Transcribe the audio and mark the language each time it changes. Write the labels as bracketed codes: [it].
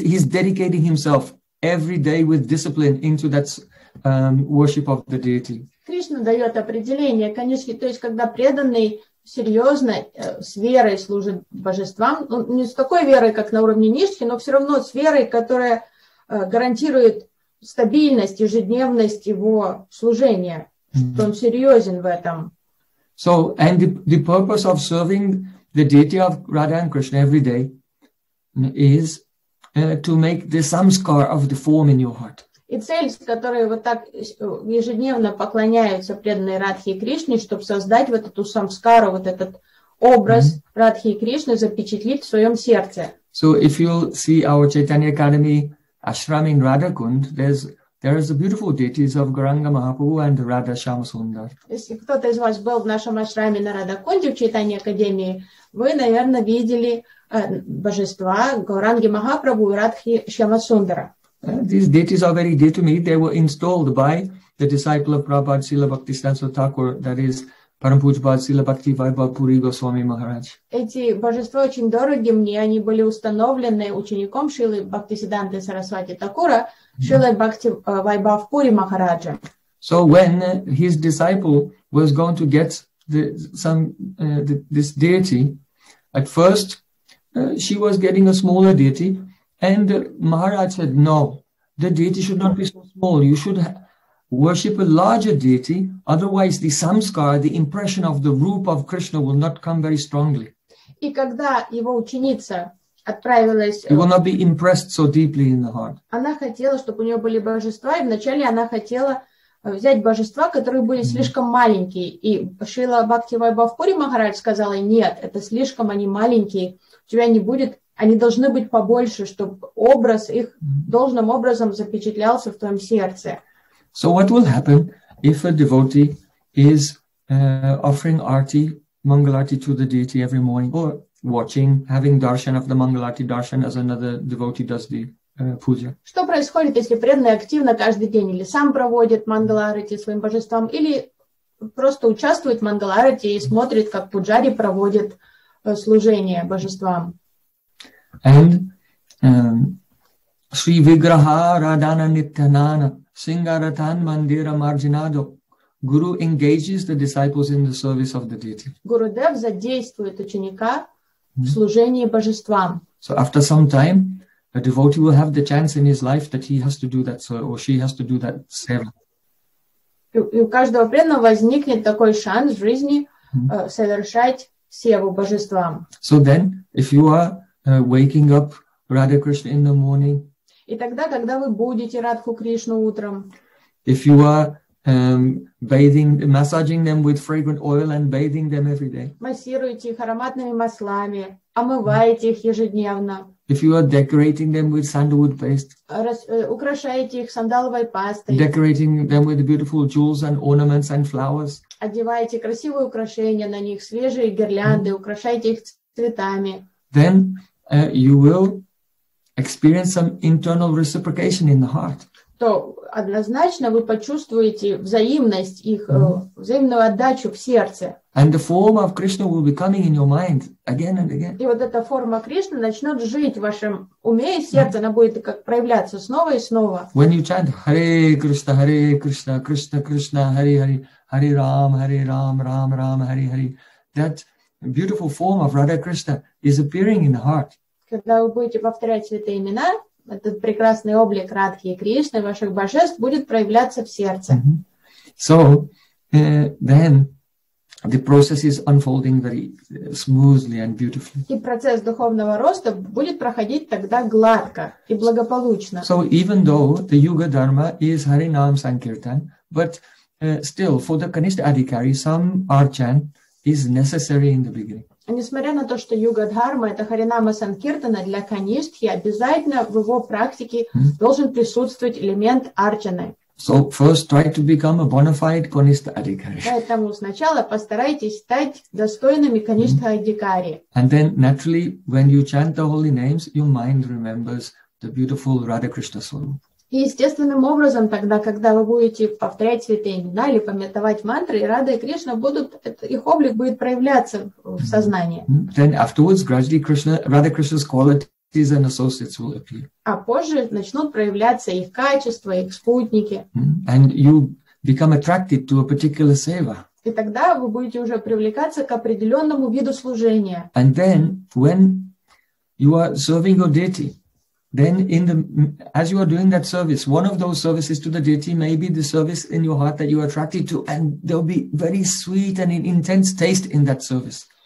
[en] He's dedicating himself every day with discipline into that worship of the deity. [ru] Кришна дает определение, конечно, то есть когда преданный серьезно с верой служит божествам, не с такой верой, как на уровне ништхи, но все равно с верой, которая гарантирует стабильность, ежедневность его служения, что он серьезен в этом. [en] So, and the purpose of serving the deity of Radha and Krishna every day is to make the samskar of the form in your heart. [ru] И цель, с которой вот так ежедневно поклоняются преданные Радхе и Кришне, чтобы создать вот эту самскару, вот этот образ Радхи и Кришны, запечатлить в своем сердце. [en] So if you see our Chaitanya Academy ashram in Radhakund, there is a beautiful deities of Gauranga Mahaprabhu and Radha Shamsundar. [ru] Если кто-то из вас был в нашем ашраме на Радхакунде в Чайтанья Академии, вы, наверное, видели божества Гауранги Махапрабху и Радхи Шамасундара. [en] These deities are very dear to me. They were installed by the disciple of Prabhupada Srila Bhakti Sanso Thakur, that is Parampuj Bhadsila Bhakti Vaibhav Puri Goswami Maharaj. [ru] Эти божества очень дороги мне. Они были установлены учеником Шилы Бхактисиданты Сарасвати Такура, Шилы Бхакти Вайбав Пури Махараджа. [en] So when his disciple was going to get this deity, at first she was getting a smaller deity, and Maharaj said, no, the deity should not be so small. You should worship a larger deity, otherwise the samskara, the impression of the rupa of Krishna will not come very strongly. [ru] И когда его ученица отправилась, [en] he will not be impressed so deeply in the heart. [ru] Она хотела, чтобы у нее были божества, и вначале она хотела взять божества, которые были слишком маленькие. И Шрила Бхакти Вайбав Пури Махарадж сказала, нет, это слишком они маленькие, у тебя не будет, они должны быть побольше, чтобы образ их должным образом запечатлялся в твоем сердце. [en] So what will happen if a devotee is offering arti, mangalarti to the deity every morning, or watching, having darshan of the mangalarti darshan as another devotee does the puja? [ru] Что происходит, если преданный активно каждый день или сам проводит мангаларти своим божествам, или просто участвует в мангаларти и смотрит, как пуджари проводит служение божествам? [sa] And Sri Vigraha Radhana Nityanana Singaratan Mandira Marjinado. [en] Guru engages the disciples in the service of the deity. [ru] Guru Dev задействует ученика в служении божествам. [en] So after some time, a devotee will have the chance in his life that he has to do that, so, or she has to do that seva. [ru] И у каждого преданного возникнет такой шанс в жизни совершать севу божествам. [en] So then, if you are waking up Radha Krishna in the morning, [ru] и тогда, когда вы будете Радху Кришну утром, [en] if you are bathing, massaging them with fragrant oil and bathing them every day, [ru] массируете их ароматными маслами, омываете их ежедневно, [en] if you are decorating them with sandalwood paste, [ru] украшаете их сандаловой пастой, [en] decorating them with beautiful jewels and ornaments and flowers, [ru] одеваете красивые украшения на них, свежие гирлянды, украшаете их цветами, [en] then you will experience some internal reciprocation in the heart. [ru] То однозначно вы почувствуете взаимность их, взаимную отдачу в сердце. [en] And the form of Krishna will be coming in your mind again and again. [ru] И вот эта форма Кришны начнет жить в вашем уме и сердце, она будет как проявляться снова и снова. [en] When you chant Hare Krishna, Krishna Krishna, Hare Hare, Hare Ram, Hare Ram, Ram Ram, Hare Hare, that beautiful form of Radha Krishna is appearing in the heart. [ru] Когда вы будете повторять святые имена, этот прекрасный облик Радхи и Кришны, ваших божеств, будет проявляться в сердце. [en] So, then the process is unfolding very smoothly and beautifully. [ru] И процесс духовного роста будет проходить тогда гладко и благополучно. [en] So, even though the Yuga Dharma is Harinam Sankirtan, but still, for the Kanishtha Adhikari, some Archan is necessary in the beginning. [ru] Несмотря на то, что юга-дхарма – это харинама санкиртана, для канистхи обязательно в его практике должен присутствовать элемент арчаны. [en] So first try to become a bona fide kanistha adhikari. [ru] Поэтому сначала постарайтесь стать достойными канистха адхикари. [en] And then naturally, when you chant the holy names, your mind remembers the beautiful Radha Krishna Swarup. [ru] И естественным образом тогда, когда вы будете повторять святые имена или памятовать мантры, и Радха и Кришна будут, их облик будет проявляться в сознании. [en] Then afterwards, gradually Krishna, Radha Krishna's qualities and associates will appear. [ru] А позже начнут проявляться их качества, их спутники. [en] And you become attracted to a particular seva. [ru] И тогда вы будете уже привлекаться к определенному виду служения. [en] And then, when you are serving your deity, then in the as you are doing that service, one of those services to the deity may be the service in your heart that you are attracted to, and there will be very sweet and an intense taste in that service.